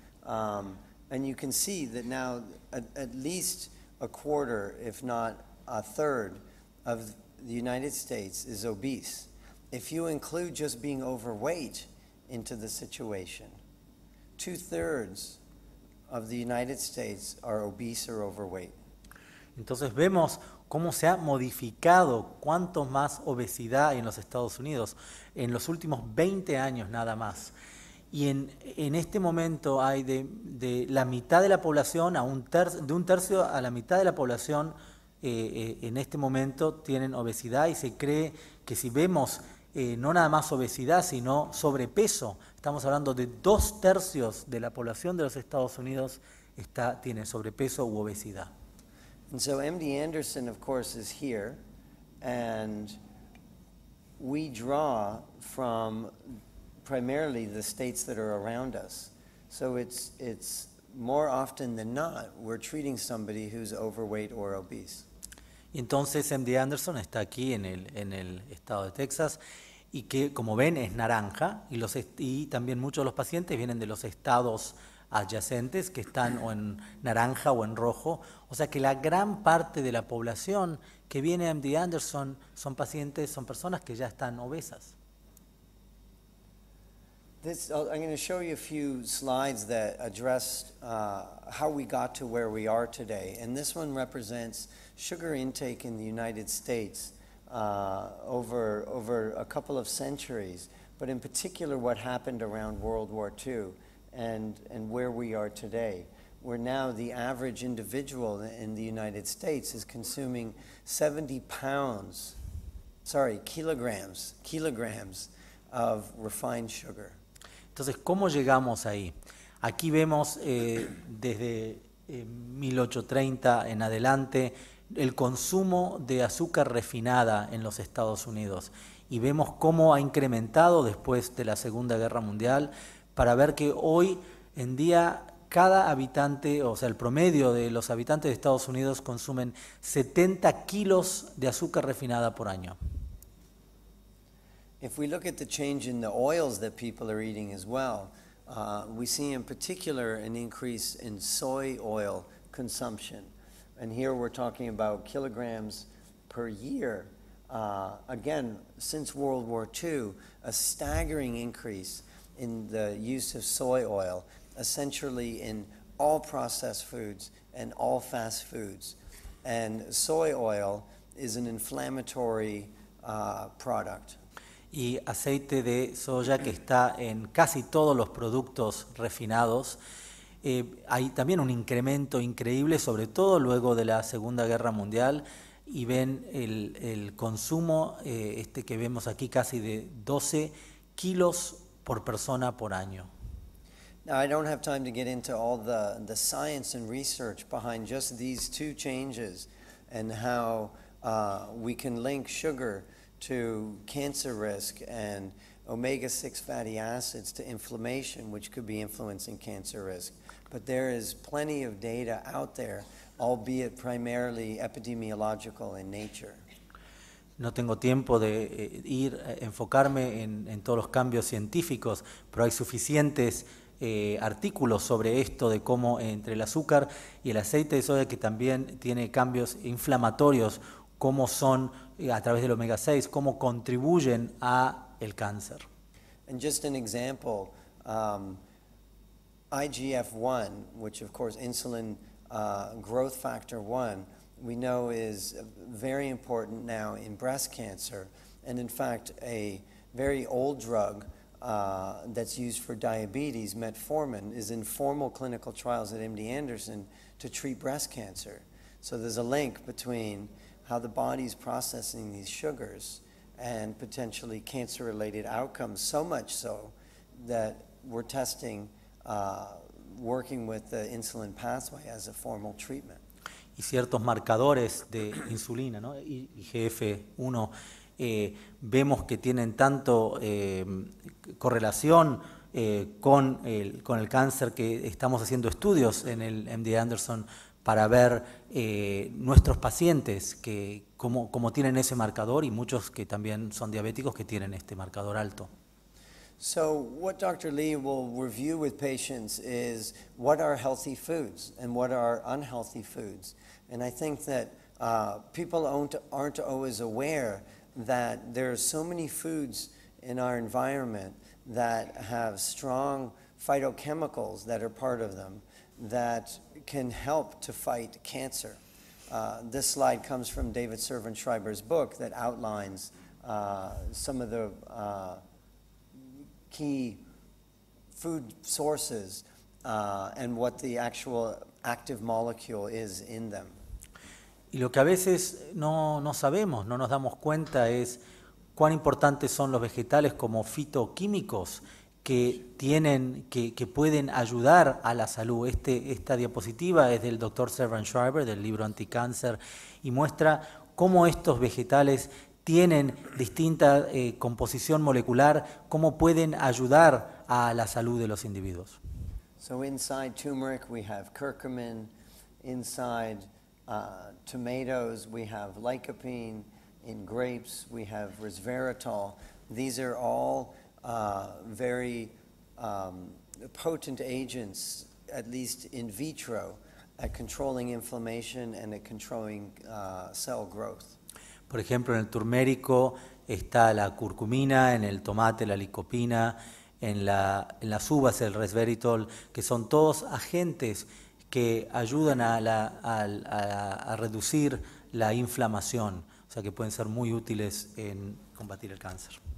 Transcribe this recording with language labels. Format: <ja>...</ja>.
<en>And you can see that now at least a quarter, if not a third, of the United States is obese. If you include just being overweight into the situation, two-thirds of the United States are obese or overweight.</en> <es>Entonces vemos cómo se ha modificado, cuánto más obesidad hay en los Estados Unidos en los últimos 20 años nada más. Y en este momento hay de la mitad de la población a un tercio a la mitad de la población en este momento tienen obesidad y se cree que si vemos no nada más obesidad, sino sobrepeso, estamos hablando de dos tercios de la población de los Estados Unidos tiene sobrepeso u obesidad.</es> <en>And so MD Anderson, of course, is here, and we draw from primarily the states that are around us. So it's more often than not we're treating somebody who's overweight or obese.</en> <es>Entonces MD Anderson está aquí en el estado de Texas, y que como ven es naranja, y también muchos de los pacientes vienen de los estados adyacentes que están o en naranja o en rojo. O sea que la gran parte de la población que viene a MD Anderson son pacientes, son personas que ya están obesas.</es> <en>I'm going to show you a few slides that address how we got to where we are today. And this one represents sugar intake in the United States over a couple of centuries, but in particular what happened around World War II. And where we are today, where now the average individual in the United States is consuming 70 kilograms of refined sugar.</en> <es>Entonces, ¿cómo llegamos ahí? Aquí vemos desde 1830 en adelante el consumo de azúcar refinada en los Estados Unidos. Y vemos cómo ha incrementado después de la Segunda Guerra Mundial, para ver que hoy en día cada habitante, o sea, el promedio de los habitantes de Estados Unidos consumen 70 kilos de azúcar refinada por año.</es> <en>If we look at the change in the oils that people are eating as well, we see in particular an increase in soy oil consumption. And here we're talking about kilograms per year. Again, since World War II, a staggering increase in the use of soy oil, essentially in all processed foods and all fast foods. And soy oil is an inflammatory product.</en> <es>Y aceite de soya que está en casi todos los productos refinados. Hay también un incremento increíble, sobre todo luego de la Segunda Guerra Mundial, y ven el consumo, este que vemos aquí, casi de 12 kilos por persona por año.</es> <en>Now, I don't have time to get into all the science and research behind just these two changes and how we can link sugar to cancer risk and omega-6 fatty acids to inflammation, which could be influencing cancer risk. But there is plenty of data out there, albeit primarily epidemiological in nature.</en> <es>No tengo tiempo de ir enfocarme en todos los cambios científicos, pero hay suficientes artículos sobre esto de cómo entre el azúcar y el aceite de soya, que también tiene cambios inflamatorios, cómo son a través del omega 6, cómo contribuyen a el cáncer.</es> <en>And just an example, IGF-1, which of course insulin growth factor 1, we know is very important now in breast cancer, and in fact a very old drug that's used for diabetes, metformin, is in formal clinical trials at MD Anderson to treat breast cancer. So there's a link between how the body's processing these sugars and potentially cancer-related outcomes, so much so that we're testing working with the insulin pathway as a formal treatment.</en> <es>Y ciertos marcadores de insulina, ¿no? IGF-1, vemos que tienen tanto correlación con el cáncer, que estamos haciendo estudios en el MD Anderson para ver nuestros pacientes que como tienen ese marcador, y muchos que también son diabéticos que tienen este marcador alto.</es> <en>So what Dr. Lee will review with patients is what are healthy foods and what are unhealthy foods. And I think that people aren't always aware that there are so many foods in our environment that have strong phytochemicals that are part of them that can help to fight cancer. This slide comes from David Servan-Schreiber's book that outlines some of the key food sources and what the actual active molecule is in them.</en> <es>Y lo que a veces no sabemos, no nos damos cuenta, es cuán importantes son los vegetales como fitoquímicos que pueden ayudar a la salud. Esta diapositiva es del Dr. Servan-Schreiber, del libro Anticáncer, y muestra cómo estos vegetales tienen distinta composición molecular, cómo pueden ayudar a la salud de los individuos.</es> <en>So inside turmeric we have curcumin, inside tomatoes we have lycopene, in grapes we have resveratrol. These are all very potent agents, at least in vitro, at controlling inflammation and at controlling cell growth.</en> <es>Por ejemplo, en el turmérico está la curcumina, en el tomate la licopina, en las uvas el resveratrol, que son todos agentes que ayudan a reducir la inflamación, o sea que pueden ser muy útiles en combatir el cáncer.</es>